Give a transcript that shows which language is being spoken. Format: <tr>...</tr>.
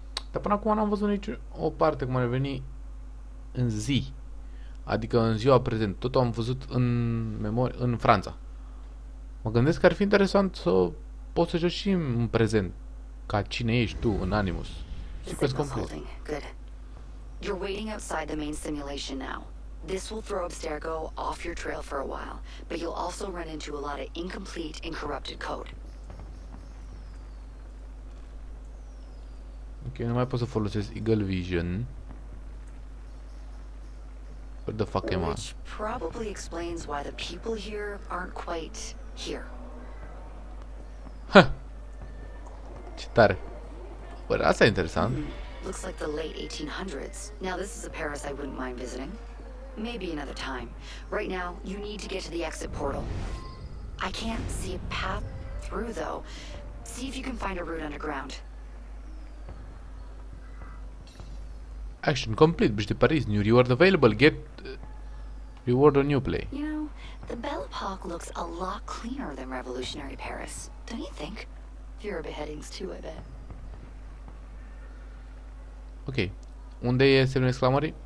<ro>Dar până acum n-am văzut nici o parte cum ar veni în zi. Adică în ziua prezent. Totul am văzut în memorie, în Franța. Mă gândesc că ar fi interesant să poți să joci și în prezent. Ca cine ești tu în Animus. Super complet.</ro> <en>You're waiting outside the main simulation now. This will throw Abstergo off your trail for a while, but you'll also run into a lot of incomplete and corrupted code.</en> <ro>Ok, nu mai pot să folosesc Eagle Vision.</ro> <en>What the fuck am I? Which probably explains why the people here aren't quite here.</en> <ro>Ha! Ce tare! Bă, asta e interesant.</ro> <en>Looks like the late 1800s. Now this is a Paris I wouldn't mind visiting. Maybe another time. Right now, you need to get to the exit portal. I can't see a path through though. See if you can find a route underground. Action complete, Bridge de Paris, new reward available, get reward on new play. You know, the Belle Epoque looks a lot cleaner than Revolutionary Paris, don't you think? Fewer beheadings too, I bet.</en> <ro>Ok, unde e semnul exclamării?</ro>